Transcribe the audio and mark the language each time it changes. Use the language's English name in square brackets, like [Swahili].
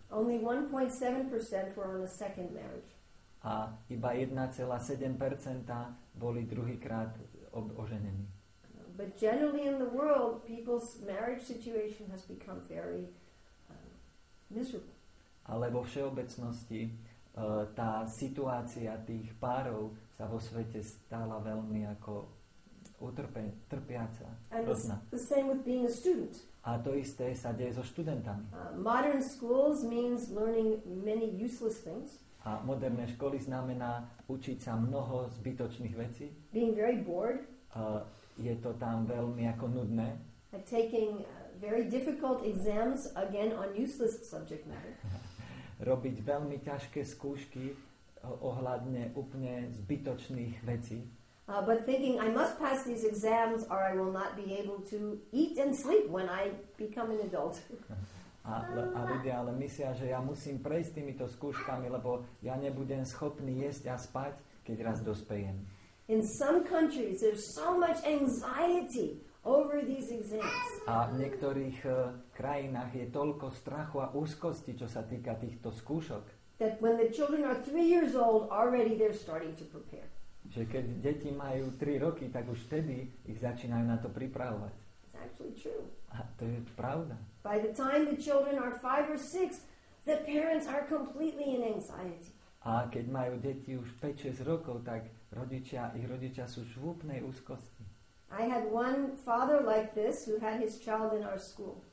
[English] Only 1.7% were on a second marriage. [Slovak] A iba 1,7% boli druhýkrát oženení. [English] But generally in the world, people's marriage situation has become very miserable. [Slovak] Ale vo všeobecnosti tá situácia tých párov sa vo svete stala veľmi ako trpiaca. [English] And the same with being a student. [Slovak] A to isté sa deje so študentami. [English] Modern schools means learning many useless things. [Slovak] A moderné školy znamená učiť sa mnoho zbytočných vecí. [English] Being very bored. [Slovak] Je to tam veľmi ako nudné. [English] Like taking very difficult exams again on useless subject matter. [Slovak] Robiť veľmi ťažké skúšky ohľadne úplne zbytočných vecí. [English] But thinking I must pass these exams or I will not be able to eat and sleep when I become an adult. [Slovak] A ľudia ale myslia, že ja musím prejsť týmito skúškami, lebo ja nebudem schopný jesť a spať, keď raz dospejem. [English] In some countries there's so much anxiety over these exams. [Slovak] A v niektorých krajinách je toľko strachu a úzkosti, čo sa týka týchto skúšok. [English] That when the children are 3 years old already they're starting to prepare. [Slovak] Že keď deti majú 3 roky, tak už vtedy ich začínajú na to pripravovať. [English] It's actually true. [Slovak] A to je pravda. [English] By the time the children are 5 or 6, the parents are completely in anxiety. [Slovak] A keď majú deti už 5-6 rokov, tak rodičia, ich rodičia sú v úplnej úzkosti. [English] I had one father like this who had his child in our school.